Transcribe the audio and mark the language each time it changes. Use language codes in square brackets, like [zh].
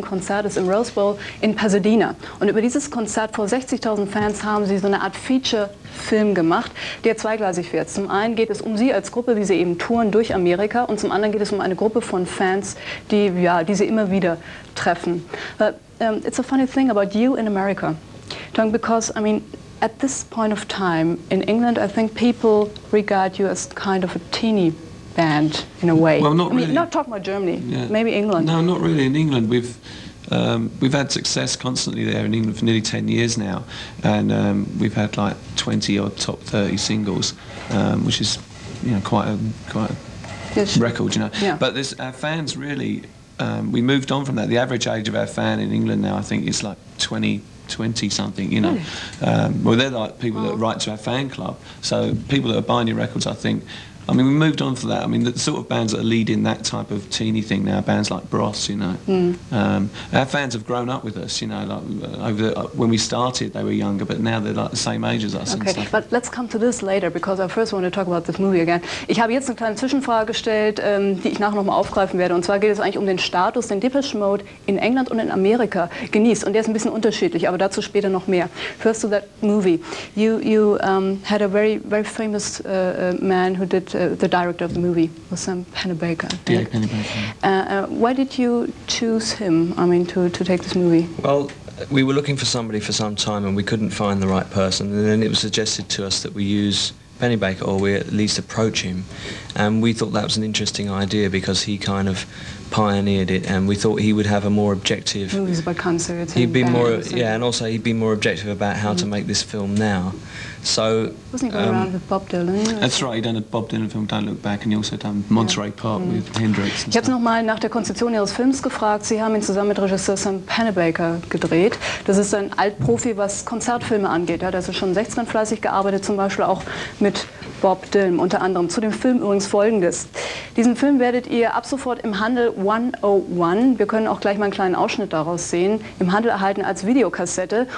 [de] Konzertes im Rose Bowl in Pasadena. Und über dieses Konzert vor 60.000 Fans haben sie so eine Art Feature-Film gemacht, der zweigleisig wird. Zum einen geht es um sie als Gruppe, wie sie eben touren durch Amerika, und zum anderen geht es um eine Gruppe von Fans, die, ja, die sie immer wieder treffen. [en] It's a funny thing about you in America. Because, I mean, at this point of time in England, I think people regard you as kind of a teeny band in a way. Well, not really. I mean, not talking about Germany, yeah. Maybe England. No, not really. In England, we've had success constantly there in England for nearly 10 years now. And we've had like 20 odd top 30 singles, which is, you know, quite a yes. record, you know. Yeah. But this, our fans really, we moved on from that. The average age of our fan in England now, I think, is like 20 something, you know. Really? Well, they're like people that write to our fan club. So people that are buying your records, I think, I mean, we moved on for that. I mean, the sort of bands that are leading that type of teeny thing now, bands like Bros, you know. Mm. Our fans have grown up with us, you know, like over the, when we started, they were younger, but now they're like the same age as us. Okay, and stuff. But let's come to this later, because I first want to talk about this movie again. [de] Ich habe jetzt eine kleine Zwischenfrage gestellt, die ich nachher nochmal aufgreifen werde. Und zwar geht es eigentlich um den Status, den Depeche Mode in England und in Amerika genießt. Und der ist ein bisschen unterschiedlich, aber dazu später noch mehr. [en] First to that movie. You had a very, very famous man who did the director of the movie was Sam Pennebaker. Yeah, Pennebaker. Why did you choose him, I mean, to take this movie? Well, we were looking for somebody for some time and we couldn't find the right person, and then it was suggested to us that we use Pennebaker, or we at least approach him, and we thought that was an interesting idea because he kind of pioneered it, and we thought he would have a more objective movies about concerts. He'd be more, yeah, and also he'd be more objective about how to make this film now. So wasn't he going around with Bob Dylan? That's right. He done a Bob Dylan film, Don't Look Back, and he also done Monterey Park with Hendrix. [de] Ich habe noch mal nach der Konzeption ihres Films gefragt. Sie haben ihn zusammen mit Regisseur Sam Pennebaker gedreht. Das ist ein Altprofi, was Konzertfilme angeht. Er hat also schon 16 fleißig gearbeitet, zum Beispiel auch mit Bob Dylan unter anderem. Zu dem Film übrigens Folgendes. Diesen Film werdet ihr ab sofort im Handel 101, wir können auch gleich mal einen kleinen Ausschnitt daraus sehen, im Handel erhalten als Videokassette.